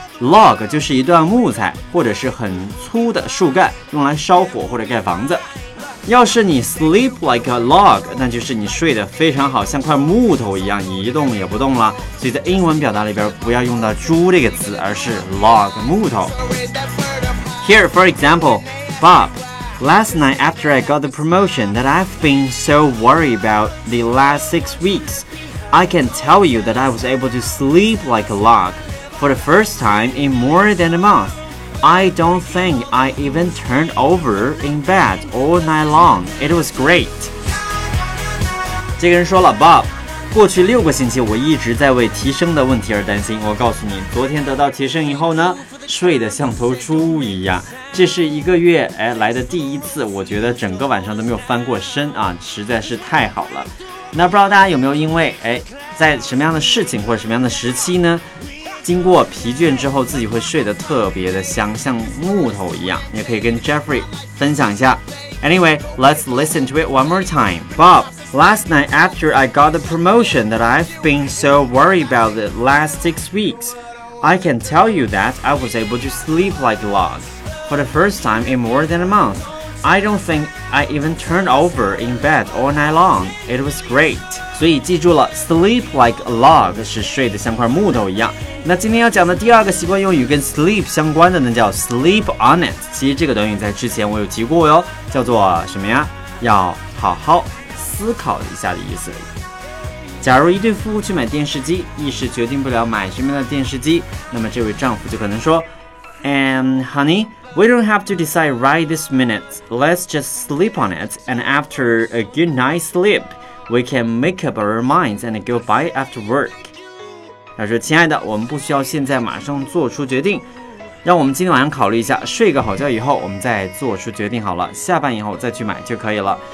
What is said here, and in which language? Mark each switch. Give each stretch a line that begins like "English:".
Chinese: Log 就是一段木材或者是很粗的树干，用来烧火或者盖房子。要是你
English: sleep like a log,
Chinese: 那就是你睡得非常好，像块木头一样，你一动也不动了。所以在英文表达里边不要用到猪这个词，而是 log, 木头。
English: Here for example, Bob, last night after I got the promotion that I've been so worried about the last 6 weeks, I can tell you that I was able to sleep like a logFor the first time in more than a month, I don't think I even turned over in bed all night long. It was great.
Chinese: 这个人说了 Bob, 过去六个星期我一直在为提升的问题而担心。我告诉你，昨天得到提升以后呢，睡得像头猪一样。这是一个月来的第一次，我觉得整个晚上都没有翻过身啊，实在是太好了。那不知道大家有没有因为在什么样的事情或者什么样的时期呢，经过疲倦之后自己会睡得特别的香，像木头一样。也可以跟 Jeffrey 分享一下。
English: Anyway, let's listen to it one more time. Bob, last night after I got the promotion that I've been so worried about the last 6 weeks, I can tell you that I was able to sleep like a log. For the first time in more than a month, I don't think I even turned over in bed all night long. It was great.
Chinese: 所以记住了 sleep like a log 是睡得像块木头一样。那今天要讲的第二个习惯用语跟 sleep 相关的呢，叫 sleep on it。其实这个短语在之前我有提过哟，叫做什么呀，要好好思考一下的意思。假如一对夫妇去买电视机，一时决定不了买什么样的电视机，那么这位丈夫就可能说
English: Honey, we don't have to decide right this minute. Let's just sleep on it, and after a good night's sleep, we can make up our minds and go buy after work.
Chinese: 他说，亲爱的，我们不需要现在马上做出决定，让我们今天晚上考虑一下，睡个好觉以后我们再做出决定好了，下班以后再去买就可以了。